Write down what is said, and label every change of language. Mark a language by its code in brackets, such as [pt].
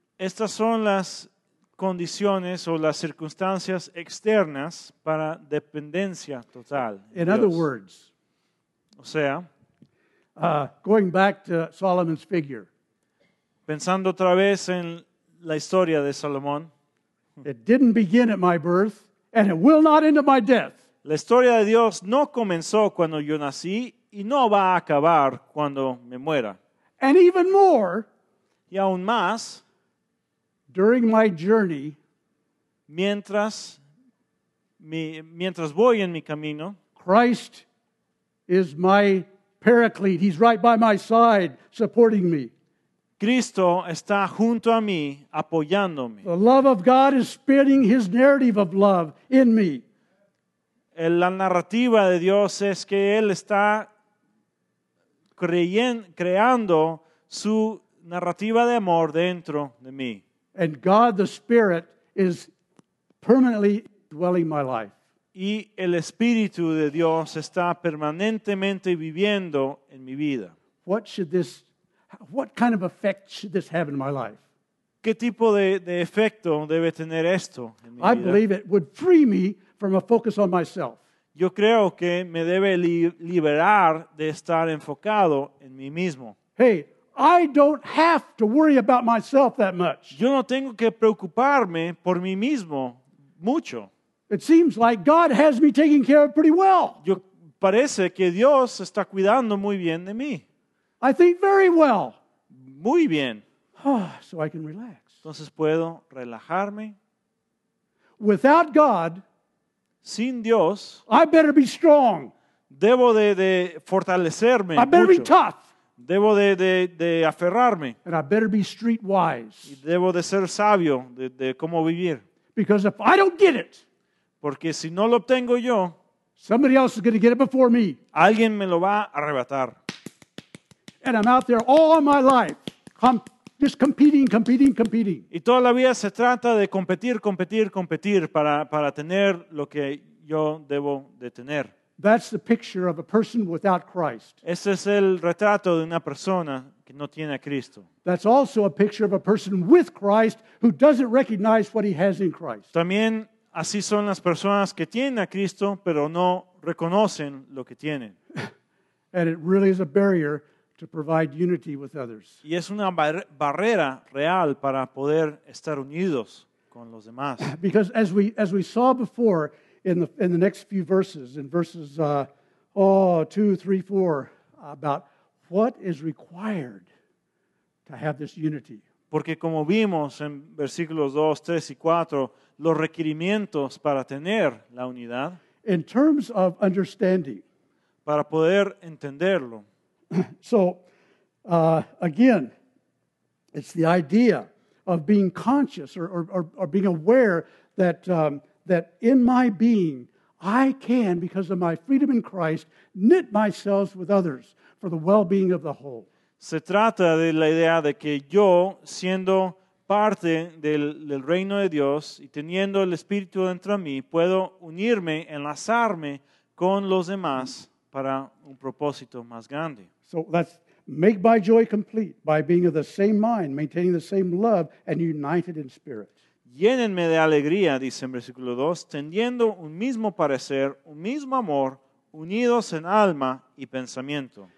[es] Estas son las condiciones o las circunstancias externas para dependencia total. [en] In other words, [es] o sea, [en] going back to Solomon's figure. [es] Pensando otra vez en la historia de Salomón. [en] It didn't begin at my birth and it will not end at my death. [es] La historia de Dios no comenzó cuando yo nací y no va a acabar cuando me muera. [en] And even more, [es] y aún más, [en] during my journey, [es] mientras voy en mi camino, [en] Christ is my paraclete. He's right by my side, supporting me. [es] Cristo está junto a mí, apoyándome. [en] The love of God is spinning his narrative of love in me. [es] La narrativa de Dios es que Él está creando su narrativa de amor dentro de mí. [en] And God the Spirit is permanently dwelling my life. [es] Y el Espíritu de Dios está permanentemente viviendo en mi vida. [en] What kind of effect should this have in my life? [es] ¿Qué tipo de efecto debe tener esto en mi vida? [en] I believe it would free me from a focus on myself. [es] Yo creo que me debe liberar de estar enfocado en mí mismo. [en] Hey, I don't have to worry about myself that much. [es] Yo no tengo que preocuparme por mí mismo mucho. [en] It seems like God has me taken care of pretty well. [es] Yo parece que Dios está cuidando muy bien de mí. [en] I think very well. [es] Muy bien. [en] Oh, so I can relax. [es] Entonces puedo relajarme. [en] Without God, [es] sin Dios, [en] I better be strong. [es] Debo de fortalecerme. [en] I better [es] mucho. [en] Be tough. [es] Debo de aferrarme. [en] And I better be street wise. [es] Y debo de ser sabio de cómo vivir. [en] Because if I don't get it, [es] porque si no lo obtengo yo, [en] somebody else is going to get it before me. [es] Alguien me lo va a arrebatar. [en] And I'm out there all my life, just competing, competing, competing. [es] Y toda la vida se trata de competir, competir, competir para tener lo que yo debo de tener. [en] That's the picture of a person without Christ. [es] Ese es el retrato de una persona que no tiene a Cristo. [en] That's also a picture of a person with Christ who doesn't recognize what he has in Christ. [es] También así son las personas que tienen a Cristo, pero no reconocen lo que tienen. [en] And it really is a barrier to provide unity with others. [es] Y es una barrera real para poder estar unidos con los demás. [en] Because as we saw before, in the next few verses, in verses 2, 3, 4, about what is required to have this unity. [es] Porque como vimos en versículos 2, 3 y 4, los requerimientos para tener la unidad. [en] In terms of understanding. [es] Para poder entenderlo. [en] So, again, it's the idea of being conscious or being aware that that in my being, I can, because of my freedom in Christ, knit myself with others for the well-being of the whole. [es] Se trata de la idea de que yo, siendo parte del reino de Dios y teniendo el Espíritu dentro de mí, puedo unirme, enlazarme con los demás para un propósito más grande. [en] So let's make my joy complete by being of the same mind, maintaining the same love, and united in spirit. [es] Llénenme de alegría, dice en versículo 2, teniendo un mismo parecer, un mismo amor, unidos en alma y pensamiento.